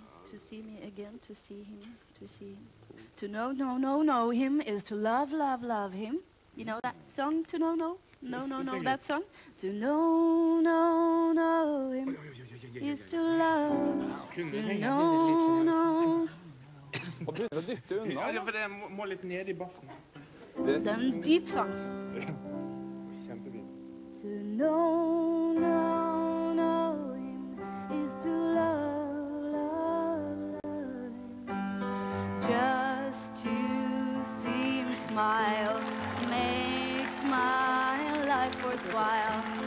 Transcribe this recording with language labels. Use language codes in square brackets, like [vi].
[en] To see me again, to see him, to see him. To know, know, know, know him is to love, love, love him. You know that song, to know, know? No, no, no, that song. To know, know, know him is to love. To know, know. [no] Hva begynner du å dytte unna? Ja, for jeg må litt ned i bassen. Det er en [en] deep song. [no] Kjempefint. [en] To know, know, know him is to love, love, love him. Just to see him smile. Makes my life worthwhile.